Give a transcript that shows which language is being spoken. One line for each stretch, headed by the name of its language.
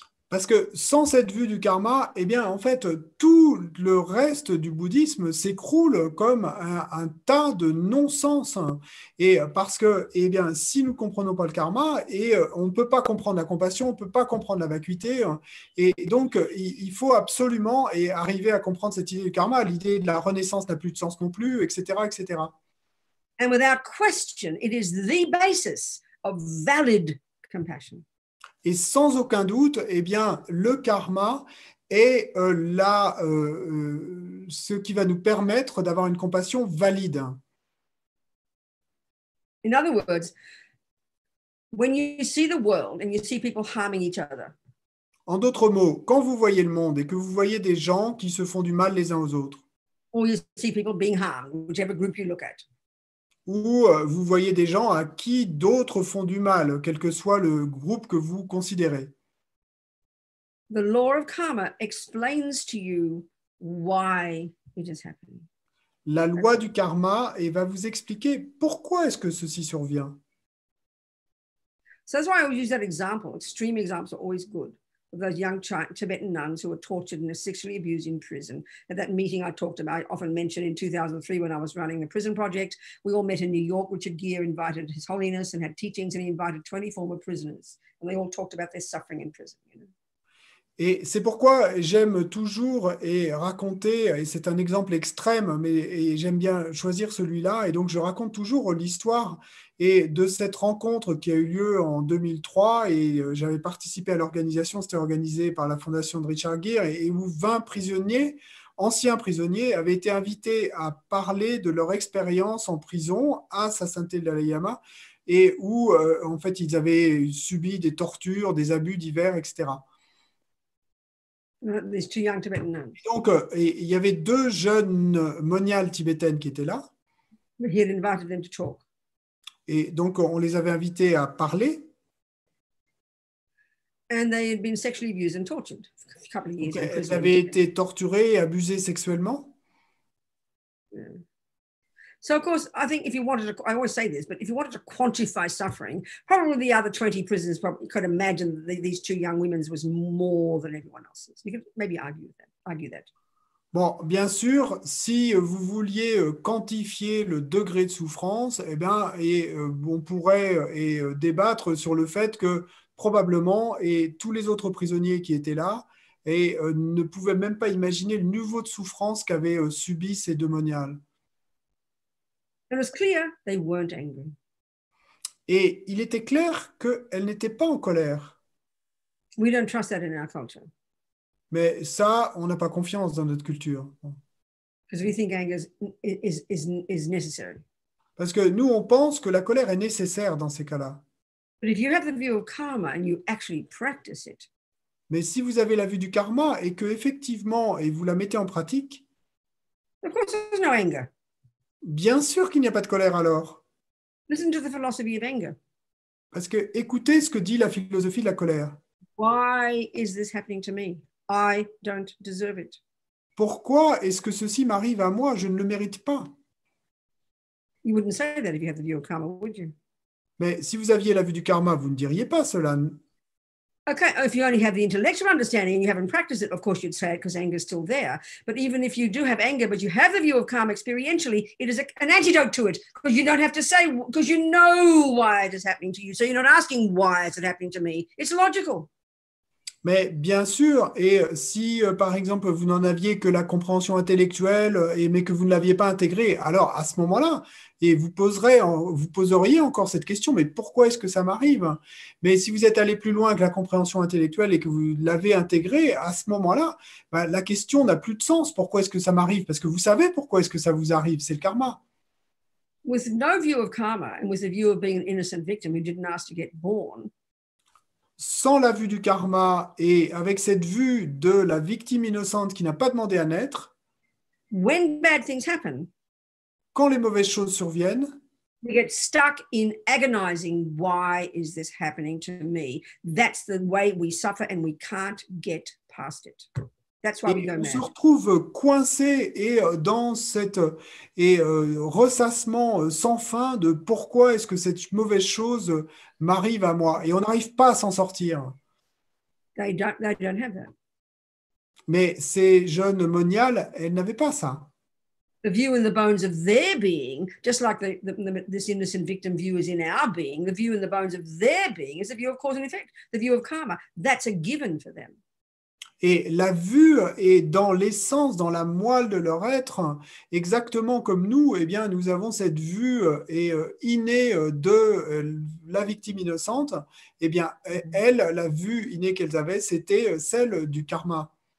French: Parce que sans cette vue du karma, en fait, tout le reste du bouddhisme s'écroule comme un tas de non-sens. Et parce que, si nous ne comprenons pas le karma, et on ne peut pas comprendre la compassion, on ne peut pas comprendre la vacuité. Et donc, il faut absolument arriver à comprendre cette idée du karma. L'idée de la renaissance n'a plus de sens non plus, etc., etc.
English: And without question, it is the basis of valid compassion.
French: Et sans aucun doute, le karma est ce qui va nous permettre d'avoir une compassion valide.
English: In other words, when you see the world and you see people harming each other.
French: En d'autres mots, quand vous voyez le monde et que vous voyez des gens qui se font du mal les uns aux autres.
English: Or you see people being harmed, whichever group you look at.
French: Ou vous voyez des gens à qui d'autres font du mal, quel que soit le groupe que vous considérez.
English: The law of karma explains to you why it is happening.
French: La loi du karma va vous expliquer pourquoi est-ce que ceci survient.
English: So that's why I always use that example. Extreme examples are always good. Those young Tibetan nuns who were tortured and sexually abused in prison. At that meeting I talked about, I often mentioned in 2003 when I was running the prison project, we all met in New York. Richard Gere invited His Holiness and had teachings, and he invited 20 former prisoners, and they all talked about their suffering in prison. You know?
French: Et c'est pourquoi j'aime toujours raconter, et c'est un exemple extrême, mais j'aime bien choisir celui-là, et donc je raconte toujours l'histoire de cette rencontre qui a eu lieu en 2003, et j'avais participé à l'organisation, c'était organisé par la fondation de Richard Gere, et où 20 prisonniers, anciens prisonniers, avaient été invités à parler de leur expérience en prison à Sa Sainteté le Dalai Lama, et où en fait ils avaient subi des tortures, des abus divers, etc.
English: These two young Tibetan nuns.
French: Donc, il y avait 2 jeunes moniales tibétaines qui étaient là.
English: He had invited them to talk.
French: Et donc, on les avait invités à parler.
English: And they had been sexually abused and tortured for a couple of years.
French: Elles avaient été torturées et abusées sexuellement.
English: Yeah. So of course, I think if you wanted to, I always say this, but if you wanted to quantify suffering, probably the other 20 prisoners probably could imagine that these two young women's was more than everyone else's. You could maybe argue that.
French: Bon, bien sûr, si vous vouliez quantifier le degré de souffrance, eh bien, on pourrait débattre sur le fait que probablement, et tous les autres prisonniers qui étaient là et ne pouvaient même pas imaginer le niveau de souffrance qu'avaient subi ces démoniales.
English: It was clear they weren't angry.
French: Et il était clair qu'elles n'étaient pas en colère.
English: We don't trust that in our culture.
French: Mais ça, on n'a pas confiance dans notre culture.
English: Because we think anger is necessary.
French: Parce que nous, on pense que la colère est nécessaire dans ces cas-là.
English: But if you have the view of karma and you actually practice it.
French: Mais si vous avez la vue du karma et que effectivement et vous la mettez en pratique.
English: Of course there's no anger.
French: Bien sûr qu'il n'y a pas de colère alors.
English: Listen to the philosophy of anger.
French: Parce que écoutez ce que dit la philosophie de la colère.
English: Why is this happening to me? I don't deserve it.
French: Pourquoi est-ce que ceci m'arrive à moi? Je ne le mérite pas.
English: You wouldn't say that if you had the view of karma, would you?
French: Mais si vous aviez la vue du karma, vous ne diriez pas cela.
English: Okay, if you only have the intellectual understanding and you haven't practiced it, of course you'd say it because anger is still there. But even if you do have anger, but you have the view of karma experientially, it is an antidote to it because you don't have to say, because you know why it is happening to you. So you're not asking why is it happening to me. It's logical.
French: Mais bien sûr, et si par exemple vous n'en aviez que la compréhension intellectuelle, mais que vous ne l'aviez pas intégrée, alors à ce moment-là, et vous poseriez encore cette question, mais pourquoi est-ce que ça m'arrive? Mais si vous êtes allé plus loin que la compréhension intellectuelle et que vous l'avez intégrée, à ce moment-là, ben, la question n'a plus de sens. Pourquoi est-ce que ça m'arrive? Parce que vous savez pourquoi est-ce que ça vous arrive, c'est le karma.
English: With no view of karma and with a view of being an innocent victim who didn't ask to get born.
French: Sans la vue du karma et avec cette vue de la victime innocente qui n'a pas demandé à naître,
English: when bad things happen,
French: quand les mauvaises choses surviennent,
English: we get stuck in agonizing, why is this happening to me? That's the way we suffer and we can't get past it. That's why
French: et
English: we go
French: on
English: mad.
French: Se retrouve coincé et dans cette et ressassement sans fin de pourquoi est-ce que cette mauvaise chose m'arrive à moi et on n'arrive pas à s'en sortir.
English: They don't have that.
French: Mais ces jeunes moniales, elles n'avaient pas ça.
English: The view in the bones of their being, just like this innocent victim view is in our being, the view in the bones of their being is the view of cause and effect, the view of karma. That's a given for them.
French: Et la vue est dans l'essence, dans la moelle de leur être, exactement comme nous, eh bien, nous avons cette vue et innée de la victime innocente. Eh bien, elle, la vue innée qu'elles avaient, c'était celle du karma.